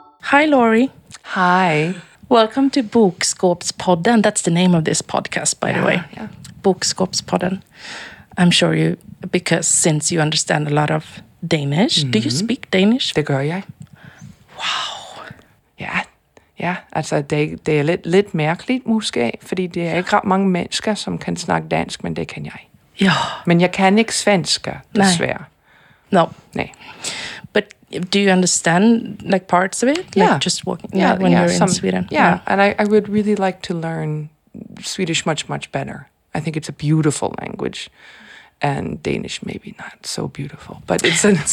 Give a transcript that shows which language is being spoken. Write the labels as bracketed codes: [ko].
[en] Hi, Laurie. Hi. Welcome to Bokskåpspodden. That's the name of this podcast, by the way. Yeah. Bokskåpspodden. I'm sure you, because since you understand a lot of Danish, mm-hmm. Do you speak Danish? [da] Det gør jeg. [en] Wow. Yeah. Yeah. [da] Altså, det er lidt mærkeligt, måske, fordi det er ikke ret mange mennesker, som kan snakke dansk, men det kan jeg. Ja. Men jeg kan ikke svensk, desværre. [en] No. [da] Nej. [en] But do you understand like parts of it? Like, yeah. Just walking, yeah, when you're in Sweden. Yeah. And I would really like to learn Swedish much, much better. I think it's a beautiful language. And Danish maybe not so beautiful. But it's